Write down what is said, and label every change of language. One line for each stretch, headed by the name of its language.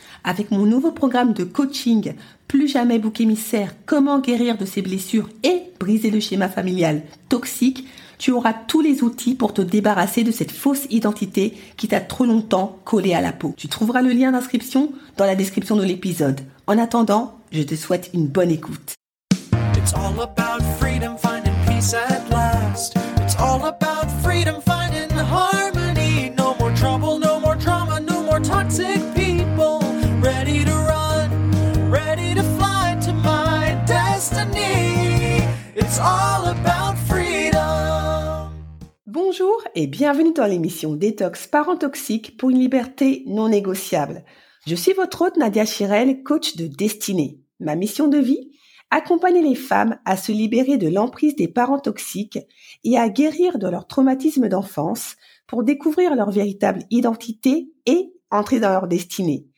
French: Avec mon nouveau programme de coaching « Plus jamais bouc émissaire, comment guérir de ses blessures et briser le schéma familial toxique », tu auras tous les outils pour te débarrasser de cette fausse identité qui t'a trop longtemps collé à la peau. Tu trouveras le lien d'inscription dans la description de l'épisode. En attendant, je te souhaite une bonne écoute.
English: It's all about freedom, finding peace at last. It's all about freedom, finding the harmony. No more trouble, no more drama, no more toxic people. Ready to run, ready to fly to my destiny. It's all about freedom.
French: Bonjour et bienvenue dans l'émission Détox Parents Toxiques pour une liberté non négociable. Je suis votre hôte Nadia Chirel, coach de destinée. Ma mission de vie ? Accompagner les femmes à se libérer de l'emprise des parents toxiques et à guérir de leur traumatisme d'enfance pour découvrir leur véritable identité et entrer dans leur destinée.